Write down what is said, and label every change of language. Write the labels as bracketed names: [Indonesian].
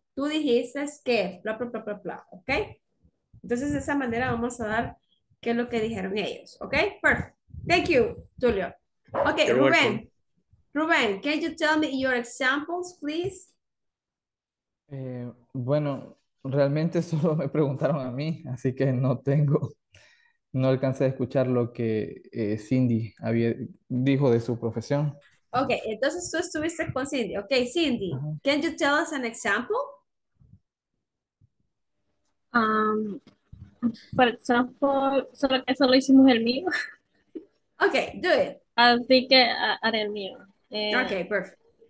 [Spanish] Tú dijiste que bla, bla, bla, bla, bla. ¿Ok? Entonces, de esa manera vamos a dar qué es lo que dijeron ellos. [English] ¿Ok? Perfect. Thank you, Tulio. Ok, you're Rubén. Welcome. Rubén, can you tell me your examples, please? [Spanish] Bueno, realmente solo me preguntaron a mí, así que no alcancé a escuchar lo que Cindy dijo de su profesión. Ok, entonces tú estuviste con Cindy. [English] Ok, Cindy, can you tell us an example? For example, [Spanish] solo hicimos el mío. [English] Ok, do it. [Spanish] Así que haré el mío. [English] Okay, perfect.